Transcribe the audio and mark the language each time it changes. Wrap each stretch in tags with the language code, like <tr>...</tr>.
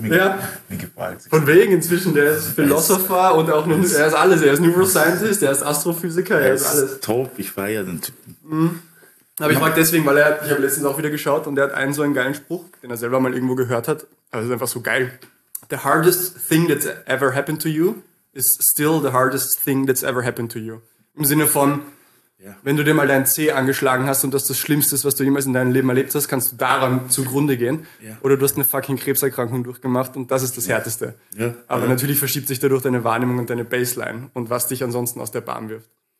<de>Mir gefällt es. Von wegen inzwischen, der ist Philosopher und auch er ist alles. Er ist Neuroscientist, er ist Astrophysiker, er ist alles. Top, ich feiere den Typen. Aber ich frage deswegen, weil ich habe letztens auch wieder geschaut und der hat einen so einen geilen Spruch, den er selber mal irgendwo gehört hat. Aber es ist einfach so geil.</de> <en>The hardest thing that's ever happened to you is still the hardest thing that's ever happened to you.</en> <de>Im Sinne von, wenn du dir mal deinen Zeh angeschlagen hast und das Schlimmste ist, was du jemals in deinem Leben erlebt hast, kannst du daran zugrunde gehen.</de> <en>Yeah.</en> <de>Oder du hast eine fucking Krebserkrankung durchgemacht und das ist das Härteste. Aber natürlich verschiebt sich dadurch deine Wahrnehmung und deine Baseline und was dich ansonsten aus der Bahn wirft.</de>